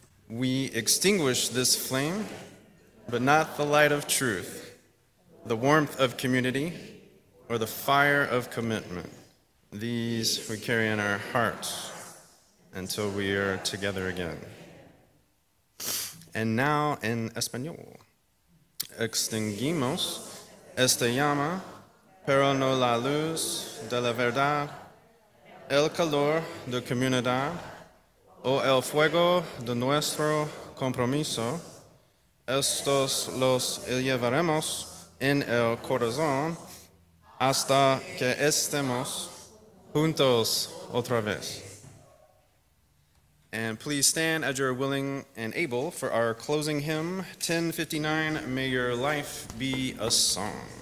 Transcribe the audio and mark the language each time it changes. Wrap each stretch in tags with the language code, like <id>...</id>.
<en>We extinguish this flame, but not the light of truth, the warmth of community, or the fire of commitment. These we carry in our hearts until we are together again. And now in Espanol.</en> <es>Extinguimos esta llama, pero no la luz de la verdad, el calor de comunidad, o el fuego de nuestro compromiso. Estos los llevaremos en el corazón hasta que estemos juntos otra vez.</es> <en>And please stand as you're willing and able for our closing hymn, 1059, May Your Life Be a Song.</en>